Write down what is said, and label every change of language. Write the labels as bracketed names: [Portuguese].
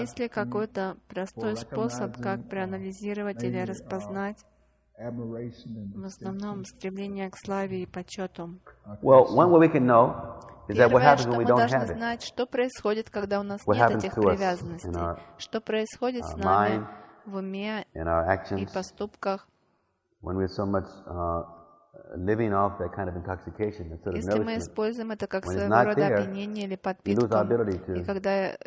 [Russian] Есть ли какой-то простой способ, как проанализировать или распознать в основном стремление к славе и почету? [English] Well, one way we can know is that what happens when we don't have it. [Russian] Мы должны знать, что происходит, когда у нас нет этих привязанностей. Что происходит с нами в уме и поступках? [English] When we're so much living off that kind of intoxication, that sort of nourishment, when it's not there, you lose our ability to do the necessary.